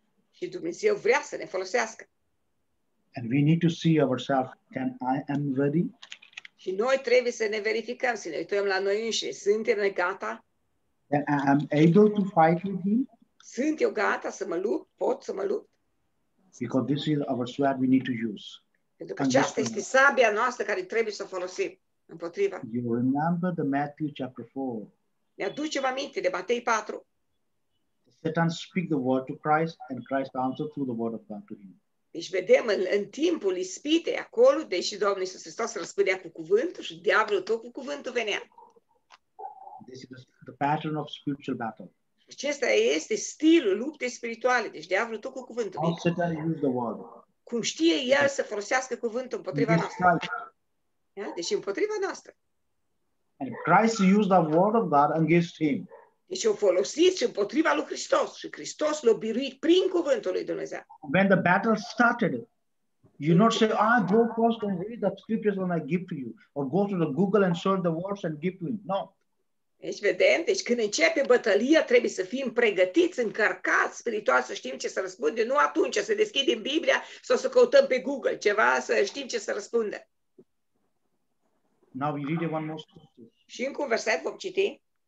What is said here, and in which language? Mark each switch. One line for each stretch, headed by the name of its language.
Romanian: Și Dumnezeu vrea să ne folosească.
English: And we need to see ourselves. Can I am ready?
Romanian: Și noi trebuie să ne verificăm, să ne uităm la noi înșine. Suntem noi gata?
English: Am I am able to fight with him?
Romanian: Sunt eu gata să mă lupt? Pot să mă lupt?
English: Because this is our sword we need to use.
Romanian: Pentru că aceasta este sabia noastră care trebuie să o folosim împotriva.
English: You remember the Matthew chapter 4.
Romanian: Ne aducem aminte de Matei 4.
English: Satan speak the word to Christ and Christ answered through the word of God to him.
Romanian: Deci vedem în timpul ispitei acolo, deși Domnul Iisus Hristos răspundea cu cuvântul și diavolul tot cu cuvântul venea.
English: This is the pattern of spiritual battle.
Romanian: Acesta este stilul luptei spirituale, deci diavolul tot cu cuvântul.
English: How Satan use the word?
Romanian: Cum știe el să folosească cuvântul împotriva noastră. Yeah? Deci împotriva noastră.
English: And Christ used the word of God against him.
Romanian: Deci o folosit și împotriva lui Hristos. Și Hristos l-a biruit prin cuvântul lui Dumnezeu.
English: When the battle started, you not say, ah, go first and read the scriptures when I give to you. Or go to the Google and search the words and give to him. No.
Romanian: Deci vedem, deci când începe bătălia, trebuie să fim pregătiți, încărcați spiritual, să știm ce să răspunde. Nu atunci să deschidem Biblia sau să căutăm pe Google ceva, să știm ce să răspunde.
English: Now we read one more scripture.
Romanian: Și încă un verset vom citi.